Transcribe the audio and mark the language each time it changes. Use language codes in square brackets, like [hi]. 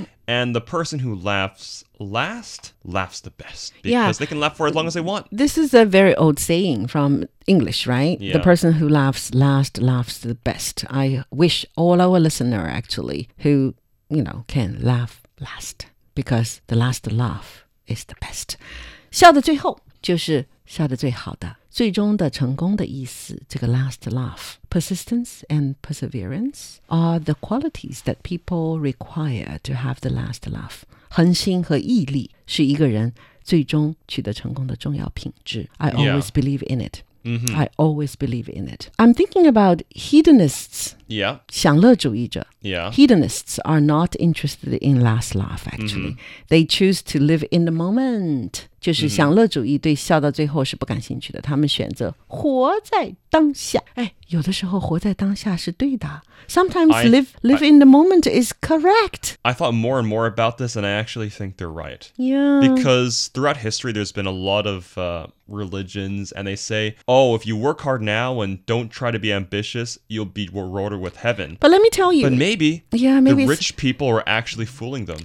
[en] And the person who laughs last laughs the best. Because they can laugh for as long as they want. This is a very old saying from English, right? Yeah. The person who laughs last laughs the best. I wish all our listeners, actually, who, you know, can laugh last. Because the last laugh is the best. [zh] 笑的最后就是笑的最好的。最终的成功的意思，这个 [en] last laugh. Persistence and perseverance are the qualities that people require to have the last laugh. [zh] 恒心和毅力是一个人最终取得成功的重要品质。 [en] I always believe in it. Mm-hmm. I always believe in it. I'm thinking about hedonists. Yeah. [zh] 享乐主义者。 [en] Yeah. Hedonists are not interested in last laugh, actually. Mm-hmm. They choose to live in the moment. [zh] 就是享乐主义对笑到最后是不感兴趣的。他们选择活在当下。哎，有的时候活在当下是对的。 [en] Sometimes live in the moment is correct. I thought more and more about this, and I actually think they're right. Yeah. Because throughout history, there's been a lot of religions, and they say, oh, if you work hard now and don't try to be ambitious, you'll be rewarded with heaven. But let me tell you. But maybe the rich people are actually fooling them.